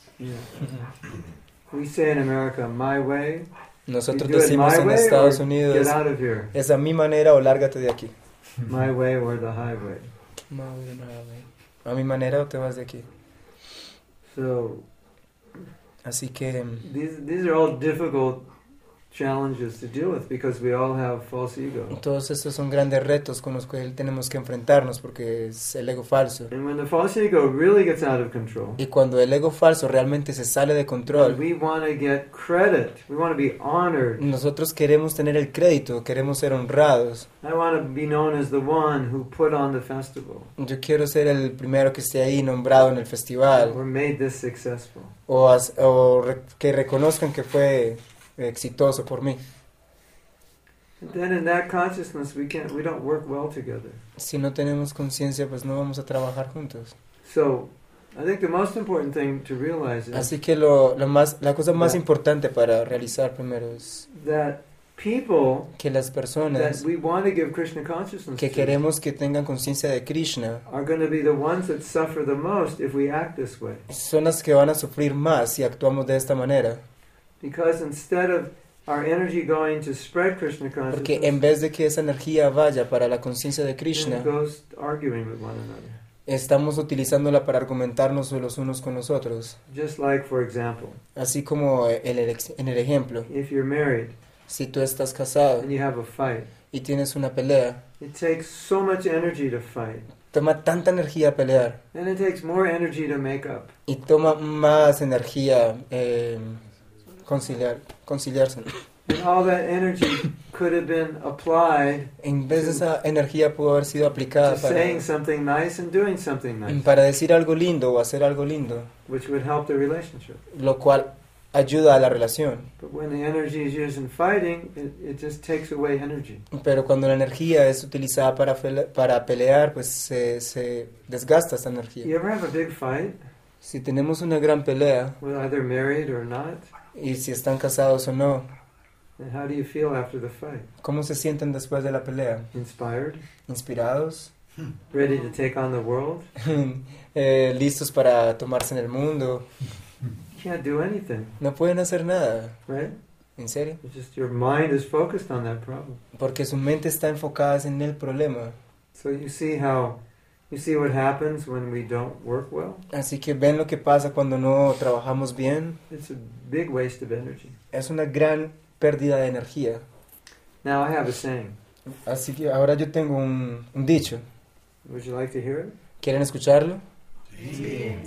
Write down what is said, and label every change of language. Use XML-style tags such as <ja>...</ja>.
<en>Yeah. We say in America, my way...</en> <es>Nosotros decimos en Estados Unidos, es a mi manera o lárgate de aquí.</es> <en>My way or the highway. My way or the highway.</en> <es>A mi manera o te vas de aquí.</es> <en>So,</en> <es>así que...</es> <en>These are all difficult challenges to deal with because we all have false ego.</en> <es>Todos estos son grandes retos con los cuales tenemos que enfrentarnos porque es el ego falso.</es> <en>And when the false ego really gets out of control.</en> <es>Y cuando el ego falso realmente se sale de control.</es> <en>We want to get credit. We want to be honored.</en> <es>Nosotros queremos tener el crédito, queremos ser honrados.</es> <en>I want to be known as the one who put on the festival.</en> <es>Yo quiero ser el primero que esté ahí nombrado en el festival.</es> <en>Or made this successful.</en> <es>O que reconozcan que fue exitoso por mí.</es> <en>Then in that consciousness we don't work well together.</en> <es>Si no tenemos conciencia, pues no vamos a trabajar juntos.</es> <en>So, I think the most important thing to realize is.</en> <es>Así que lo más, la cosa más importante para realizar primero es</es> <en>that people</en> <es>que las personas</es> <en>that we want to give Krishna consciousness</en> <es>que queremos que tengan conciencia de Krishna</es> <en>are going to be the ones that suffer the most if we act this way.</en> <es>Son las que van a sufrir más si actuamos de esta manera.</es> <en>Because instead of our energy going to spread Krishna consciousness,</en> <es>porque en vez de que esa energía vaya para la conciencia de Krishna,</es> <en>it goes arguing with one another.</en> <es>Estamos utilizándola para argumentarnos los unos con los otros.</es> <en>Just like, for example,</en> <es>así como en el ejemplo,</es> <en>if you're married,</en> <es>si tú estás casado,</es> <en>and you have a fight,</en> <es>y tienes una pelea,</es> <en>it takes so much energy to fight.</en> <es>Toma tanta energía a pelear,</es> <en>and it takes more energy to make up.</en> <es>Y toma más energía. Conciliarse.</es> <en>And all that energy could have been applied.</en> <es>En vez de esa energía pudo haber sido aplicada para</es> <en>saying something nice and doing something nice.</en> <es>Para decir algo lindo o hacer algo lindo.</es> <en>Which would help the relationship.</en> <es>Lo cual ayuda a la relación.</es> <en>But when the energy is used in fighting, it just takes away energy.</en> <es>Pero cuando la energía es utilizada para pelear, pues se desgasta esa energía.</es> <en>You ever have a big fight?</en> <es>Si tenemos una gran pelea.</es> <en>With either married or not.</en> <es>Y si están casados o no.</es> <en>And how do you feel after the fight?</en> <es>¿Cómo se sienten después de la pelea?</es> <en>Inspired?</en> <es>Inspirados.</es> <en>Ready to take on the world?</en> <es>listos para tomarse en el mundo.</es> <en>Can't do anything.</en> <es>No pueden hacer nada.</es> <en>Right?</en> <es>¿En serio?</es> <en>It's just your mind is focused on that problem.</en> <es>Porque su mente está enfocada en el problema.</es> <en>So you see how. You see what happens when we don't work well?</en> <es>Así que ven lo que pasa cuando no trabajamos bien.</es> <en>It's a big waste of energy.</en> <es>Es una gran pérdida de energía.</es> <en>Now I have a saying.</en> <es>Así que ahora yo tengo un dicho.</es> <en>Would you like to hear it?</en> <es>¿Quieren escucharlo? Sí.</es>